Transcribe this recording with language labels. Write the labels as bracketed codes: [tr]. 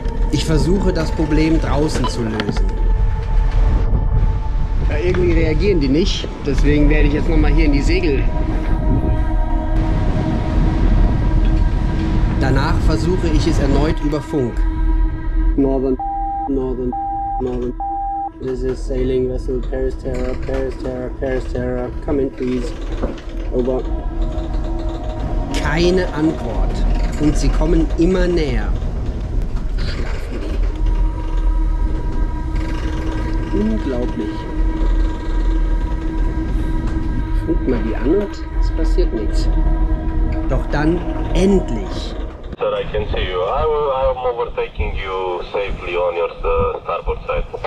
[de] Ich versuche, das Problem draußen zu lösen. Ja, irgendwie reagieren die nicht, deswegen werde ich jetzt nochmal hier in die Segel. Danach versuche ich es erneut über Funk. [en] Northern. This is sailing vessel Paris Terra. Come in, please. Over. [de] Keine Antwort. Und sie kommen immer näher. Unglaublich. Funk mal die an und es passiert nichts. Doch dann endlich. [en] Sir, I can see you. I'm overtaking you safely on your starboard side.